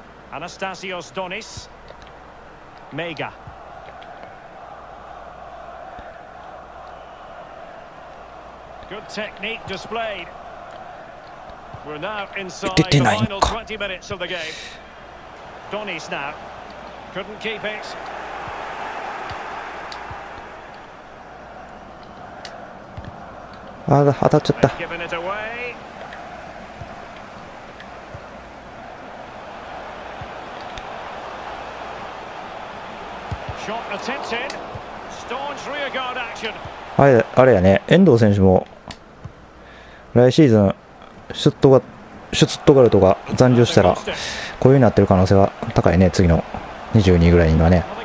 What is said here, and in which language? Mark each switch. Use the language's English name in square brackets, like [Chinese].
[Japanese] アナスタシオス・ドニス・メイガ。 [English] Good technique displayed. We're now inside the final 20 minutes of the game. Donny's now. Couldn't keep it. Ah, [Japanese] 当たっちゃった。 [English] Giving it away. Shot attempted. Staunch rear guard action. [Japanese] あれやね、遠藤選手も来シーズンシュツットガルトが残留したらこういう風になってる可能性が高いね、次の22ぐらいにはね。